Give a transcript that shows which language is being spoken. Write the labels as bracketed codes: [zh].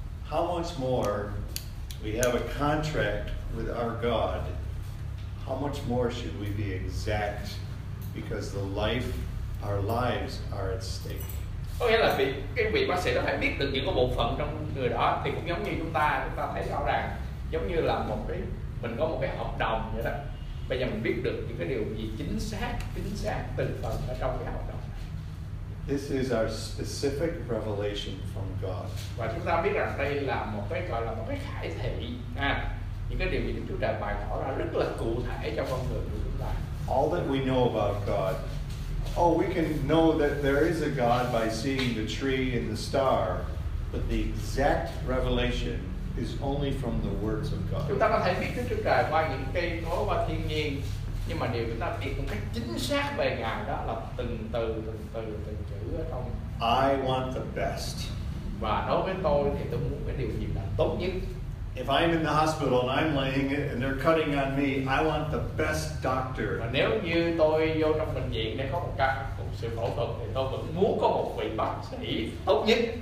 [en] How much more we have a contract with our God, how much more should we be exact because the life, our lives are at stake. [vi] Có nghĩa là cái vị bác sĩ đó phải biết được những cái bộ phận trong người đó thì cũng giống như chúng ta thấy rõ ràng giống như là một cái mình có một cái hợp đồng vậy đó. Bây giờ mình biết được những cái điều gì chính xác từng phần ở trong cái hợp đồng. [en] This is our specific revelation from God. [vi] Và chúng ta biết rằng đây là một cái gọi là một cái khải thị, những cái điều gì Đức Chúa Trời bày tỏ ra rất là cụ thể cho con người của chúng ta. [en] All that we know about God, oh, we can know that there is a God by seeing the tree and the star, but the exact revelation is only from the words of God. [vi] Chúng ta có thể biết Đức Chúa Trời qua những cây cố và thiên nhiên, nhưng mà điều chúng ta biết một cách chính xác về Ngài đó là từng chữ ở trong. [en] I want the best. [vi] Và đối với tôi thì tôi muốn cái điều gì là tốt nhất. [en] If I'm in the hospital and I'm laying it and they're cutting on me, I want the best doctor. [vi] Và nếu như tôi vô trong bệnh viện để có một ca một sự phẫu thuật thì tôi vẫn muốn có một vị bác sĩ tốt nhất.